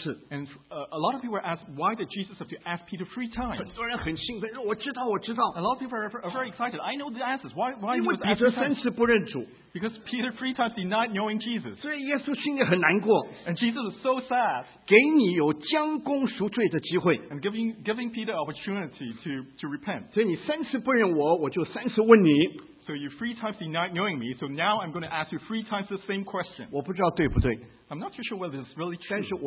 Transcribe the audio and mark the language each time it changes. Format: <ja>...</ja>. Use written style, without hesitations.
<en>and a lot of people were asked, why did Jesus have to ask Peter three times?</en> <zh>很多人很兴奋, 我知道。</zh> <en>A lot of people are very excited. I know the answers. Why he was asked three times?</en> <zh>不认主。</zh> <en>Because Peter three times denied knowing Jesus.</en> <zh>所以耶稣心里很难过。</zh> <en>And Jesus was so sad.</en> <zh>给你有将功赎罪的机会。</zh> <en>And giving Peter opportunity to repent.</en> <zh>所以你三次不认我, 我就三次问你。</zh> <en>So you three times denied knowing me, so now I'm going to ask you three times the same question.</en> <zh>我不知道对不对,</zh> <en>I'm not too sure whether it's really true.</en>